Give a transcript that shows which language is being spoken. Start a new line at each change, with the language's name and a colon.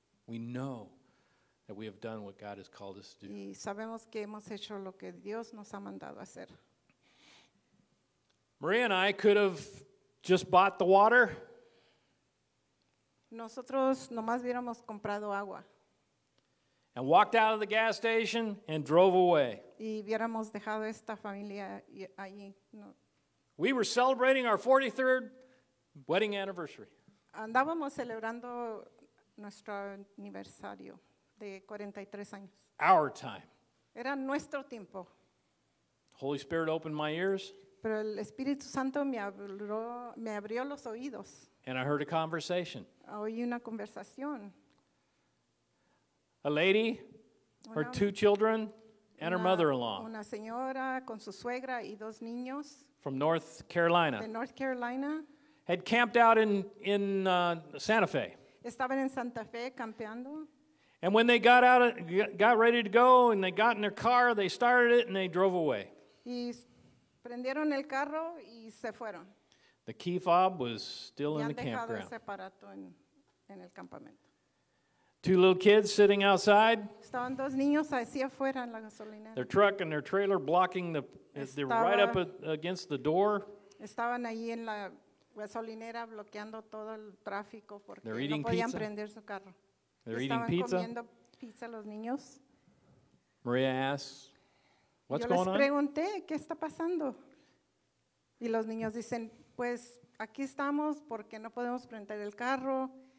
English: We know that we have done what God has called us to do.
Spanish: Y sabemos que hemos hecho lo que Dios nos ha mandado hacer.
English: Maria and I could have just bought the water.
Spanish: Nosotros nomás hubiéramos comprado agua.
English: And walked out of the gas station and drove away.
Spanish: Y hubiéramos dejado esta familia allí.
English: We were celebrating our 43rd wedding anniversary.
Spanish: Andábamos celebrando nuestro aniversario de 43 años.
English: Our time.
Spanish: Era nuestro tiempo.
English: Holy Spirit opened my ears.
Spanish: Pero el Espíritu Santo me abrió los oídos.
English: And I heard a conversation.
Spanish: Oí una conversación.
English: A lady, her two children, and her mother-in-law.
Spanish: Una señora con su suegra y dos niños.
English: From North Carolina.
Spanish: De North Carolina.
English: Had camped out in Santa Fe.
Spanish: Estaban en Santa Fe campeando.
English: And when they got ready to go and they got in their car, they started it and they drove away.
Spanish: Y prendieron el carro y se fueron.
English: The key fob was still in the campground.
Spanish: Y han dejado ese aparato en el campamento.
English: Two little kids sitting outside.
Spanish: Estaban dos niños así afuera en la gasolinera.
English: Their truck and their trailer blocking the, they're right up against the door.
Spanish: Estaban ahí en la gasolinera bloqueando todo el tráfico porque
English: they're
Spanish: no podían prender su carro.
English: They're
Spanish: estaban
English: eating pizza.
Spanish: Comiendo pizza los niños.
English: Maria asks, what's
Spanish: yo
English: going on?
Spanish: Yo les pregunté, ¿qué está pasando? Y los niños dicen, pues aquí estamos porque no podemos prender el carro.